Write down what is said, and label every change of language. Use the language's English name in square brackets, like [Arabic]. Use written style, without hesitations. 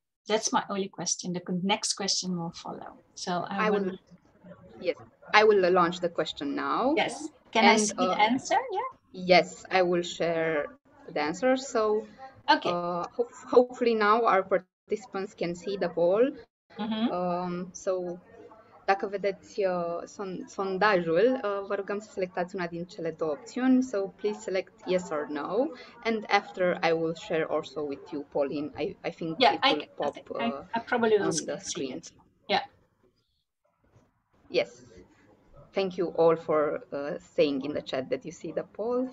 [English] That's my only question. The next question will follow. So I will launch the question now. Yes. Can I see the answer? Yeah. Yes, I will share the answer. So okay. Hopefully now our participants can see the poll. Mm-hmm. [Romanian] So dacă vedeți sondajul, vă rugăm să selectați una din cele două opțiuni. [English] So please select yes or no, and after I will share also with you, Pauline. I think I probably will see the screen. It. Yeah. Yes. Thank you all for saying in the chat that you see the poll.